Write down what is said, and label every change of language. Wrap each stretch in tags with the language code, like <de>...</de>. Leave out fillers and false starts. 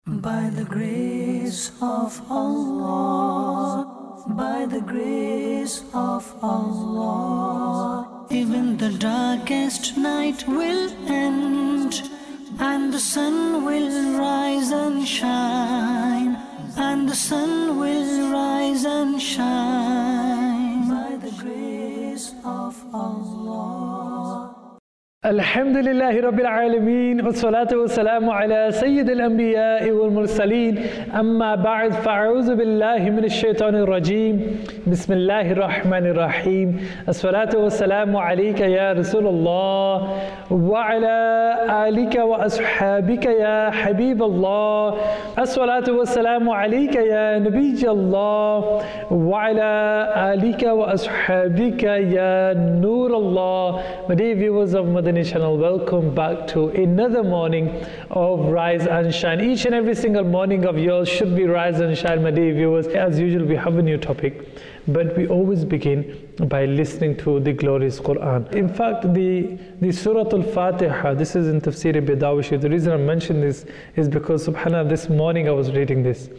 <en>By the grace of Allah, by the grace of Allah, even the darkest night will end, and the sun will rise and shine, and the sun will rise and shine. By the grace of Allah.</en> <ar>الحمد لله رب العالمين والصلاة والسلام على سيد الأنبياء والمرسلين أما بعد فأعوذ بالله من الشيطان الرجيم بسم الله الرحمن الرحيم الصلاة والسلام عليك يا رسول الله وعلى آلك وأصحابك يا حبيب الله الصلاة والسلام عليك يا نبي الله وعلى آلك وأصحابك يا نور الله</ar> <en>My dear viewers of Madinah channel, welcome back to another morning of Rise and Shine. Each and every single morning of yours should be Rise and Shine, my dear viewers. As usual, we have a new topic, but we always begin by listening to the glorious Quran. In fact, the Surah Al-Fatiha, this is in Tafsir al-Bedawishi. The reason I mention this is because, subhanAllah, this morning I was reading this.</en>